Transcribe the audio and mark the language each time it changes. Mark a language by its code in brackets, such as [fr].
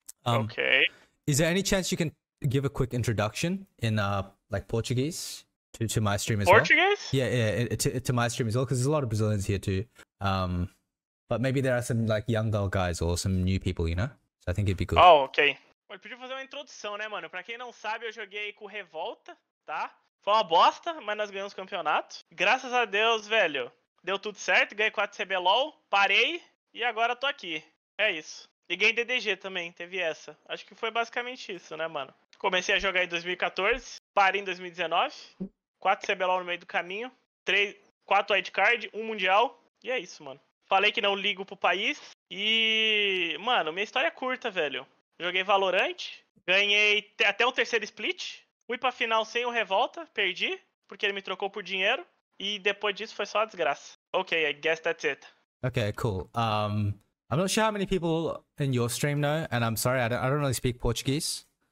[en] Okay. Is there any chance you can give a quick introduction in like Portuguese to my stream as Portuguese? Well? Portuguese? Yeah, to my stream as well, because there's a lot of Brazilians here too. But maybe there are some like younger guys or some new people, you know? So I think it'd be good. [pt] Oh, ok. Eu podia fazer uma introdução, né, mano? Pra quem não sabe, eu joguei aí com Revolta, tá? Foi uma bosta, mas nós ganhamos o campeonato. Graças a Deus, velho, deu tudo certo. Ganhei 4 CBLOL, parei e agora tô aqui. É isso. E ganhei DDG também, teve essa. Acho que foi basicamente isso, né, mano? Comecei a jogar em 2014, parei em 2019. 4 CBLOL no meio do caminho. 4 wild card, 1 mundial. E é isso, mano. Falei que não ligo pro país. E, mano, minha história é curta, velho. Joguei Valorant, ganhei até o terceiro split, fui pra final sem o Revolta, perdi, porque ele me trocou por dinheiro, e depois disso foi só a desgraça. [en] Ok, I guess that's it. Ok, cool. I'm not sure how many people in your stream know, and I'm sorry, I don't really speak Portuguese.